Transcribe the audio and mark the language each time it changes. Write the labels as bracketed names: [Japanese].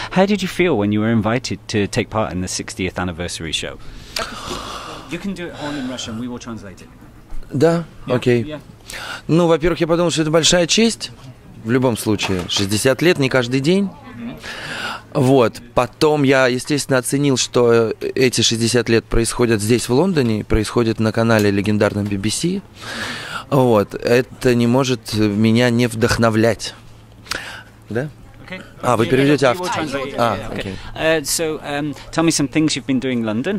[English] How did you feel when you were invited to take part in the 60th anniversary show? You can do it all in Russian. We will translate it. [Russian] Да, окей. Ну, во-первых, я подумал, что это большая честь. В любом случае, 60 лет, не каждый день. Вот. Потом я, естественно, оценил, что эти 60 лет происходят здесь, в Лондоне, происходят на канале легендарном BBC. Вот. Это не может меня не вдохновлять. Да? [English] Okay. [Russian] А, вы переведете автор. [English] Tell me some things you've been doing in London.